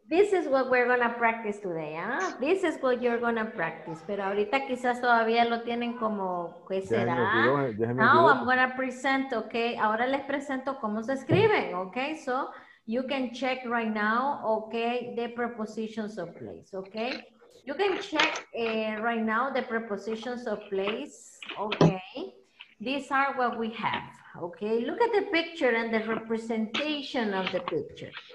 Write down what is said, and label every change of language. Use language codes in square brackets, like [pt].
[en] This is what we're going to practice today, ¿ah? ¿Eh? This is what you're going to practice. [es] Pero ahorita quizás todavía lo tienen como, ¿qué será? [en] Now I'm going to present, okay? [es] Ahora les presento cómo se escriben, [en] okay? So you can check right now, okay, the prepositions of place, okay? You can check right now the prepositions of place, okay? These are what we have, okay? Look at the picture and the representation of the picture.